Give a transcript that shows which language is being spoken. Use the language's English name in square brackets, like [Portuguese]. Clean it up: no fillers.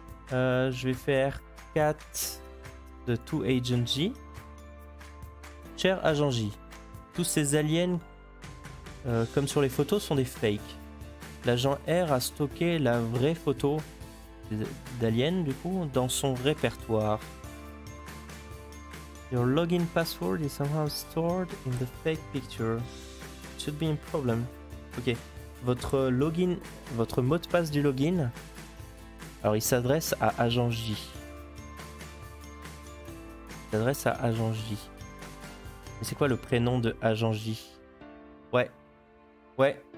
[French] Je vais faire cat de to agent J. Cher agent J, tous ces aliens, comme sur les photos, sont des fakes. L'agent R a stocké la vraie photo d'alien, du coup, dans son répertoire. [English] Your login password is somehow stored in the fake picture. Should be a problem. Ok. [French] Votre login, votre mot de passe du login, alors il s'adresse à Agent J. Il s'adresse à Agent J. Mais c'est quoi le prénom de Agent J? Ouais. Ouais.